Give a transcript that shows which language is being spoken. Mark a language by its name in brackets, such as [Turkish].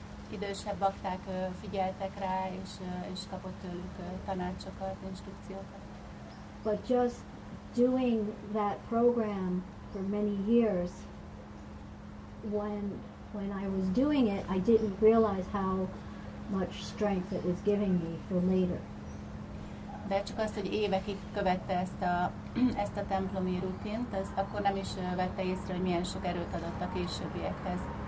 [Hungarian] Idősebb bakták figyeltek rá, és kapott tőlük tanácsokat, instrukciókat. [English] But just doing that program for many years, when I was doing it, I didn't realize how much strength it was giving me for later. [Hungarian] De csak azt, hogy évekig követte ezt a templomi rutint, az akkor nem is vette észre, hogy milyen sok erőt adott a későbbiekhez.